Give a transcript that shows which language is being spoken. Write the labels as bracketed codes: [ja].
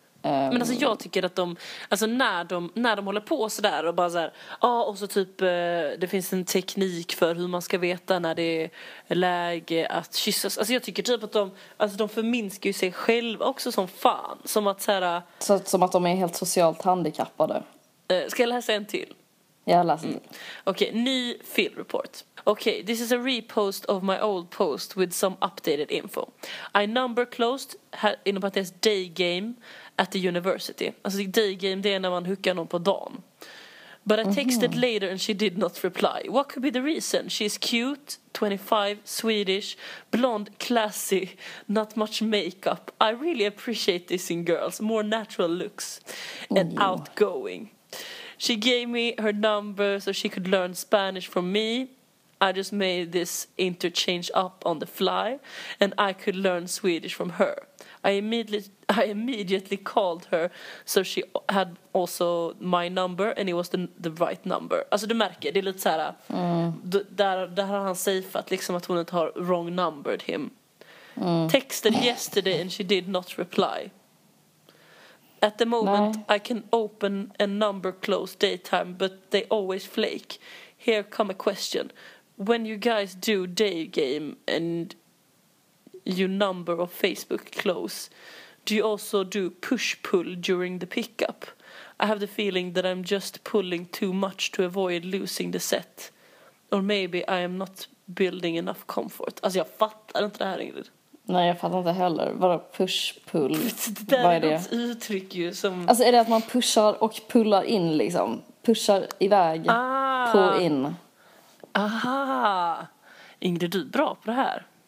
[sv] Men alltså jag tycker att de, alltså när de håller på så där och bara så här, ja, och så typ det finns en teknik för hur man ska veta när det är läge att kyssas. Alltså jag tycker typ att de, alltså de förminskar ju sig själva också som fan, som att så här, så som att de är helt socialt handikappade. Ska jag läsa en till? Jag läser en. Okej, ny field report. [en] Okej, this is a repost of my old post with some updated info. I number closed [sv] inom parentes [en] day game at the university. [sv] Alltså day game, det är när man hookar någon på dagen. [en] But I texted later and she did not reply. What could be the reason? She is cute, 25, Swedish, blonde, classy, not much makeup. I really appreciate this in girls. More natural looks and outgoing. She gave me her number so she could learn Spanish from me. I just made this interchange up on the fly and I could learn Swedish from her. I immediately called her so she had also my number and it was the right number. [sv] Alltså du märker, det är lite så här. Där har han safeat liksom att hon inte har [en] wrong numbered him. Texted yesterday and she did not reply. At the moment I can open a number closed daytime but they always flake. Here come a question. When you guys do day game and you number of Facebook close, do you also do push-pull during the pickup? I have the feeling that I'm just pulling too much to avoid losing the set. Or maybe I am not building enough comfort. [sv] Alltså jag fattar inte det här, Ingrid. Nej, jag fattar inte heller. Vadå push-pull? Det där är något uttryck ju som... Alltså är det att man pushar och pullar in liksom? Pushar iväg, pull in. Aha! Ingrid, du är bra på det här.